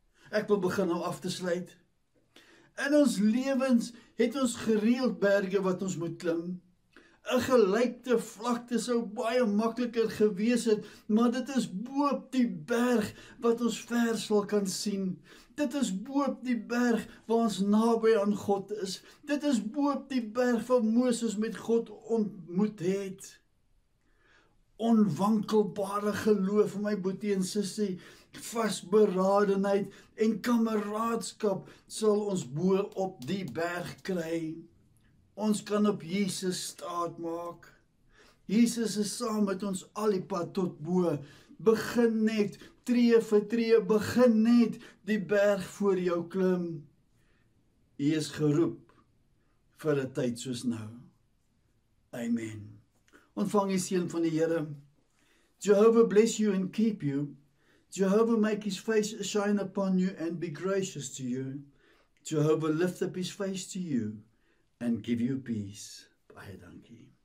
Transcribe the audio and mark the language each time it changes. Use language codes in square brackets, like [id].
[af] Ek wil begin nou af te sluit. In ons lewens het ons gereeld berge wat ons moet klim. 'N gelykte vlakte sou baie makliker gewees het, maar dit is boop die berg wat ons ver sal kan sien. Dit is boop die berg waar ons naby aan God is. Dit is boop die berg waar Moses met God ontmoet het. Onwankelbare geloof, my boetie en sussie, vasberadenheid en kameraadskap sal ons bo op die berg kry. Ons kan op Jesus staat maak. Jesus is saam met ons al die pad tot bo. Begin net, tree vir tree, begin net die berg voor jou klim. Hy is geroep vir 'n tyd soos nou. Amen. Ontvang die seën van die Here. [en] Jehovah bless you and keep you. Jehovah make his face shine upon you and be gracious to you. Jehovah lift up his face to you and give you peace. [af] Baie dankie.